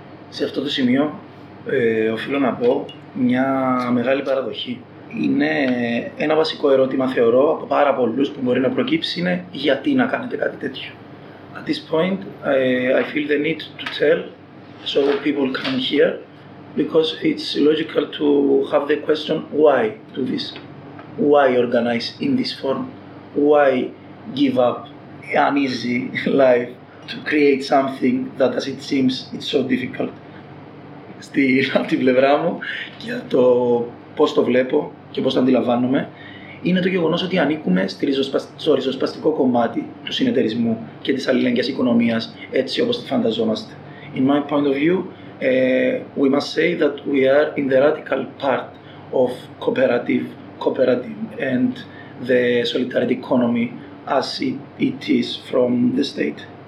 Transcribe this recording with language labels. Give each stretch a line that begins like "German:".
Greek: Σε αυτό το σημείο οφείλω να πω μια μεγάλη παραδοχή. Είναι ένα βασικό ερώτημα, θεωρώ, από πάρα πολλούς που μπορεί να προκύψει, είναι γιατί να κάνετε κάτι τέτοιο.
English: At this point, I feel the need to tell so people can hear, because it's logical to have the question why do this, why organize in this form, why give up an easy life to create something that, as it seems, it's so difficult.
Greek: Στην από την πλευρά μου, για το πώς το βλέπω και πώς το αντιλαμβάνομαι, είναι το γεγονός ότι ανήκουμε στο ριζοσπαστικό κομμάτι του συνεταιρισμού και της αλληλέγγυας οικονομίας, έτσι όπως τη φανταζόμαστε.
English: In my point of view, we must say that we are in the radical part of cooperative and the solidarity economy as it is from the state.